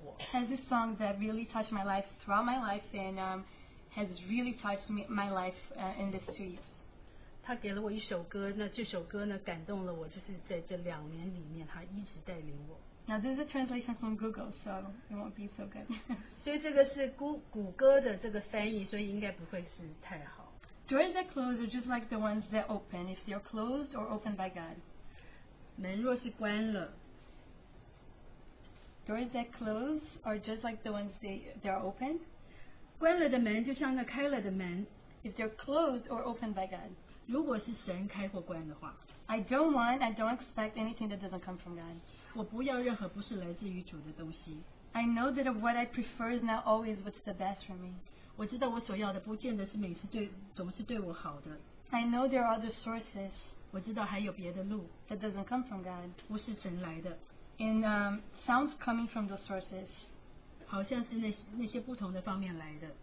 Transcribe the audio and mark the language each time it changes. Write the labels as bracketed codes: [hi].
[en] has a song that really touched my life throughout my life and has really touched me, my life in these 2 years. [zh] 他给了我一首歌, 那这首歌呢, 感动了我, 就是在这两年里面, 他一直带领我。 [en] Now this is a translation from Google, so it won't be so good. [zh] 所以这个是谷歌的这个翻译, 所以应该不会是太好。 [en] Doors that close are just like the ones that open, if they're closed or opened by God. [zh] 门若是关了, [en] doors that close are just like the ones that are open. [zh] 关了的门就像那开了的门。 [en] If they're closed or opened by God. [zh] 如果是神开或关的话。 [en] I don't want, I don't expect anything that doesn't come from God. [zh] 我不要任何不是来自于主的东西。 [en] I know that what I prefer is not always what's the best for me. [zh] 我知道我所要的不见得是每次对总是对我好的。 [en] I know there are other sources. [zh] 我知道还有别的路。 [en] That doesn't come from God. [zh] 不是神来的。 [en] And sounds coming from those sources. [zh] 好像是那些不同的方面来的。